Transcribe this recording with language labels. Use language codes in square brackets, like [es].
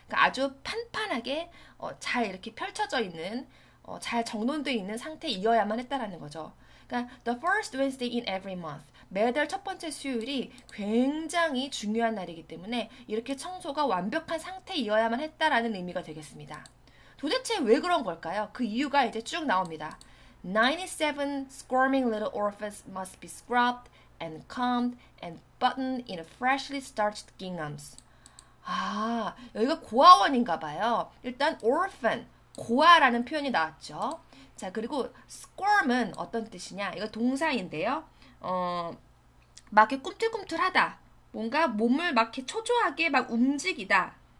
[ko] 그러니까 아주 판판하게 잘 이렇게 펼쳐져 있는 잘 정돈되어 있는 상태이어야만 했다라는 거죠. [en] 그러니까 the first Wednesday in every month. [ko] 매달 첫 번째 수요일이 굉장히 중요한 날이기 때문에 이렇게 청소가 완벽한 상태이어야만 했다라는 의미가 되겠습니다. 도대체 왜 그런 걸까요? 그 이유가 이제 쭉 나옵니다. [en] 97 squirming little orphans must be scrubbed and combed and buttoned in a freshly starched ginghams. [ko] 아, 여기가 고아원인가 봐요. 일단 orphan, 고아라는 표현이 나왔죠. 자, 그리고 squirm은 어떤 뜻이냐? 이거 동사인데요. 막 이렇게 꿈틀꿈틀하다. 뭔가 몸을 막 이렇게 초조하게 막 움직이다.